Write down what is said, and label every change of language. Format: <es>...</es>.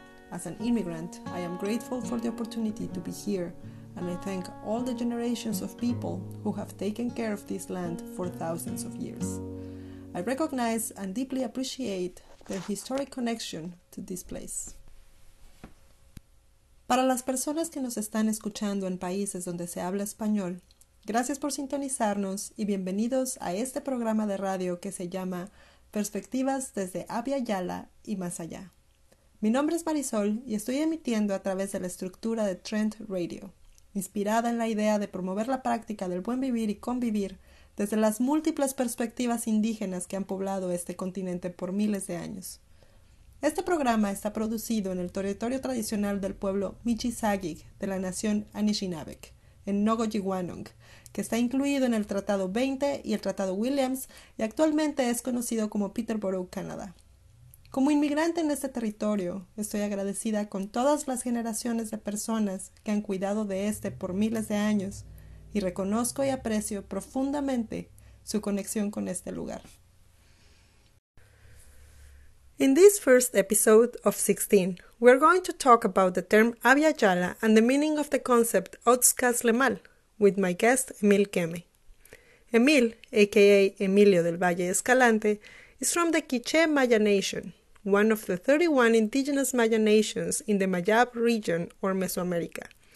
<en>As an immigrant, I am grateful for the opportunity to be here, and I thank all the generations of people who have taken care of this land for thousands of years. I recognize and deeply appreciate their historic connection to this place.</en> <es>Para las personas que nos están escuchando en países donde se habla español, gracias por sintonizarnos y bienvenidos a este programa de radio que se llama Perspectivas desde Abya Yala y más allá. Mi nombre es Marisol y estoy emitiendo a través de la estructura de Trent Radio, inspirada en la idea de promover la práctica del buen vivir y convivir desde las múltiples perspectivas indígenas que han poblado este continente por miles de años. Este programa está producido en el territorio tradicional del pueblo Michisagic de la nación Anishinaabeg, en Nogojiwanong, que está incluido en el Tratado 20 y el Tratado Williams, y actualmente es conocido como Peterborough, Canadá. Como inmigrante en este territorio, estoy agradecida con todas las generaciones de personas que han cuidado de este por miles de años, y reconozco y aprecio profundamente su conexión con este lugar.</es> <en>In this first episode of 16, we are going to talk about the term Abya Yala and the meaning of the concept Otskaz Lemal with my guest Emil Keme. Emil, aka Emilio del Valle Escalante, is from the Quiché Maya Nation, one of the 31 indigenous Maya nations in the Mayab region or Mesoamerica.</en>